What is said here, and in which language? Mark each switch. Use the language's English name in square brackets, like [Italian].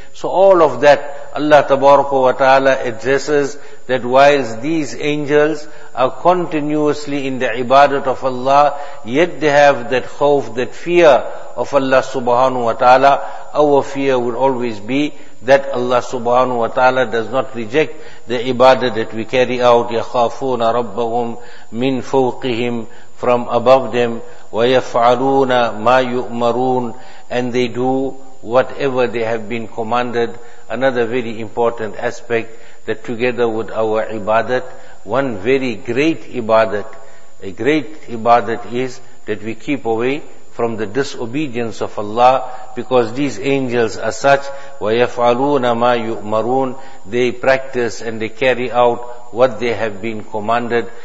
[English] So all of that Allah tabaraka wa ta'ala addresses, that whilst these angels are continuously in the ibadat of Allah, yet they have that khawf, that fear of Allah subhanahu wa ta'ala. Our fear would always be that Allah subhanahu wa ta'ala does not reject the ibadah that we carry out. [Arabic] يَخَافُونَ رَبَّهُمْ مِنْ فَوْقِهِمْ, [English] from above them. [Arabic] وَيَفْعَلُونَ مَا يُؤْمَرُونَ, [English] and they do whatever they have been commanded. Another very important aspect, that together with our ibadat, one very great ibadat, a great ibadat is that we keep away from the disobedience of Allah, because these angels are such, [Arabic] وَيَفْعَلُونَ مَا يُؤْمَرُونَ, [English] they practice and they carry out what they have been commanded.